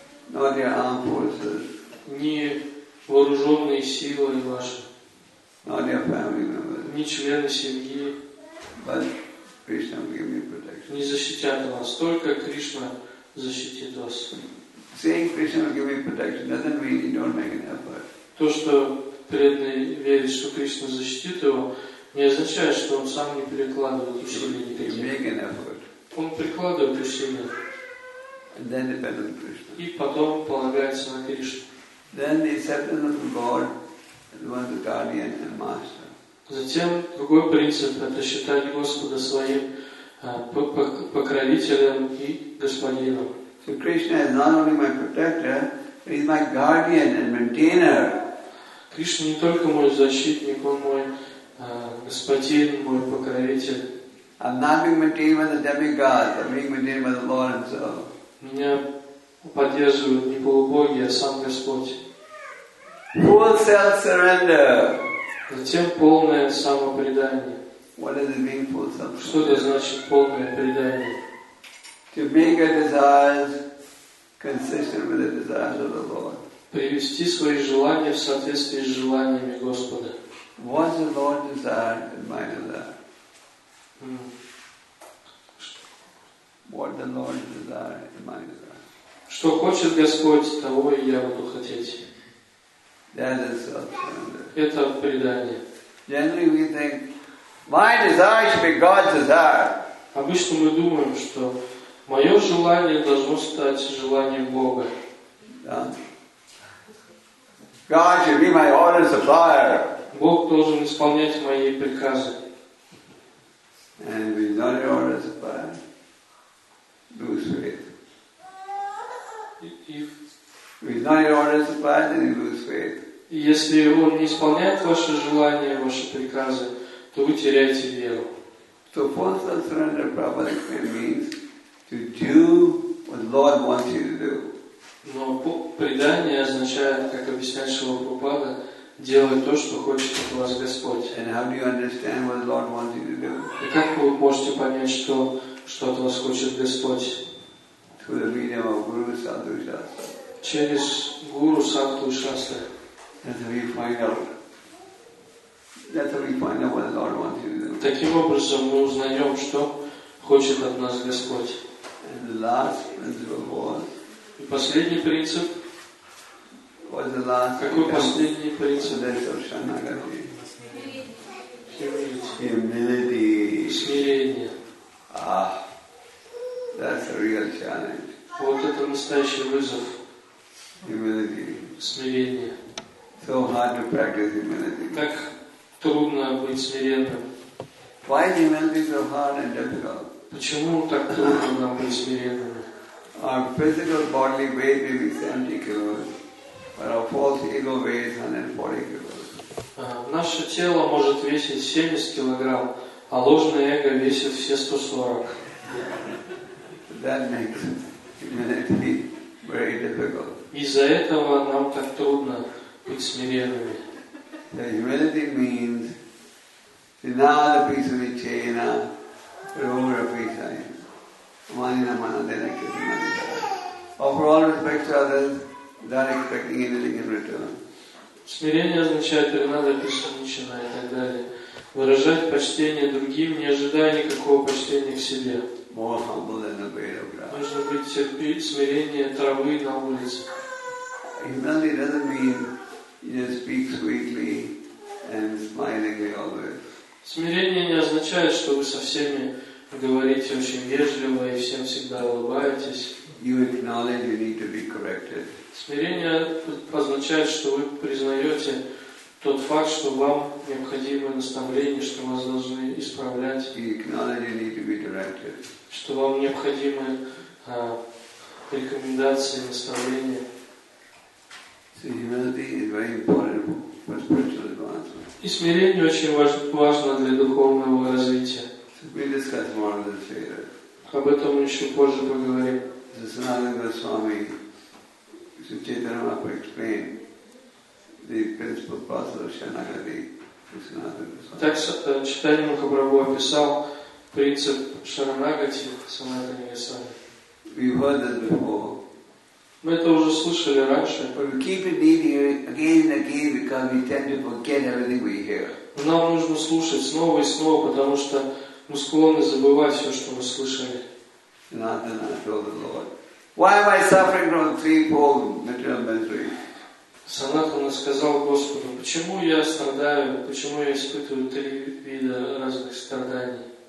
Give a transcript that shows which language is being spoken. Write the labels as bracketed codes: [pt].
[en] Not your armed forces. [ru] Не вооруженные силы ваши. [en] Not your family members. [ru] Не члены семьи. [en] But Krishna will give me protection. [ru] Не защитят вас, только Кришна защитит вас. [en] Saying Krishna will give me protection doesn't mean you don't make an effort. [ru] То, что преданный верит, что Кришна защитит его, не означает, что он сам не прикладывает усилия никаких. [en] You make an effort. [ru] Он прикладывает усилия. [en] And then depends on Krishna. [ru] И потом полагается на Кришну. [en] Then the acceptance of God. One the guardian and master. [ru] Затем другой принцип это считать Господа своим покровителем и господином. [en] So Krishna is not only my protector, but he's my guardian and maintainer. [ru] Кришна не только мой защитник, он мой господин, мой покровитель. [en] I'm not being maintained by the demigods, I'm being maintained by the Lord Himself. [ru] Меня поддерживают не полубоги, а сам Господь. [en] Full self-surrender. [ru] Затем полное самопредание. [en] What does it mean, full self-surrender? [ru] Что это значит полное предание? [en] To make your desires consistent with the desires of the Lord. [ru] Привести свои желания в соответствии с желаниями Господа. [en] What's the Lord's desire and my desire? What the Lord's desire and my desire? [ru] Что хочет Господь, того и я буду хотеть. [en] That is self-surrender. [ru] Это предание. [en] Generally we think, my desire should be God's desire. [ru] Обычно мы думаем, что мое желание должно стать желанием Бога. [en] Yeah. God should be my order supplier. [ru] Бог должен исполнять мои приказы. [en] And if he's not your order supplier, lose faith. If he's not your order supplier, then you lose faith. [ru] Если он не исполняет ваши желания, ваши приказы, то вы теряете веру. [en] So full self-surrender, Prabhupada, means to do what Lord wants you to do. [ru] Но предание означает, как объясняет Шрила Прабхупада, делать то, что хочет от вас Господь. [en] And how do you understand what Lord wants you to do? [ru] И как вы можете понять, что от вас хочет Господь? [en] Through the medium of Guru Sattva Shastra. [ru] Через Гуру Сатву Шастра. [en] And we find out That's how we find out what the Lord wants you to do. [ru] Таким образом мы узнаем, что хочет от нас Господь. [en] And the last principle was. [ru] И последний принцип. [en] What the last? [ru] Какой последний принцип? [en] That's of Shanagati. Humility. [ru] Смирение. [en] Ah, that's a real challenge. [ru] Вот это настоящий вызов. [en] Humility. [ru] Смирение. [en] So hard to practice humility. [ru] Так трудно быть смиренным. [en] Why is humility so hard and difficult? [ru] Почему так трудно нам быть смиренными? [en] Our physical bodily weight may be 70 kilos, but our false ego weighs 140 kilos. [ru] Наше тело может весить 70 килограмм, а ложное эго весит все 140. [en] That makes humility very difficult. [ru] Из-за этого нам так трудно быть смиренными. [en] The humility means denial of peace with chena, rule of peace I am. Manina mana then I kiss another. Offer all respect to others without expecting anything in return. [ru] Смирение означает преграда бессмысленна и так далее. Выражать почтение другим, не ожидая никакого почтения к себе. [en] More humble than a blade of grass. [ru] Нужно быть терпеть смирение травы на улице. [en] Humility doesn't mean you just speak sweetly and smilingly always. [ru] Смирение не означает, что вы со всеми говорите очень вежливо и всем всегда улыбаетесь. [en] You acknowledge you need to be corrected. [ru] Смирение означает, что вы признаете тот факт, что вам необходимо наставление, что вас должны исправлять. [en] You acknowledge you need to be directed. [ru] Что вам необходимы рекомендации, наставления. [en] So humility is very important for spiritual advancement. [ru] И смирение очень важно для духовного развития. [en] So we discuss more of this later. [ru] Об этом мы еще позже поговорим. [en] So Sanatana Goswami, Sri Chaitanya Mahaprabhu explained the principal path of Shanagati to Sanatana Goswami. [ru] Так Чайтанья Махапрабху описал принцип Шаранагати Санатана Госвами. [en] We've heard this before. [ru] Мы это уже слышали раньше. [en] But we keep reading again and again because we tend to forget everything we hear. [ru] Нам нужно слушать снова и снова, потому что мы склонны забывать все, что мы слышали. [en] Sanatana told the Lord, "Why am I suffering from threefold material misery?" [ru] Sanatana сказал Господу, почему я страдаю, почему я испытываю три вида разных страданий?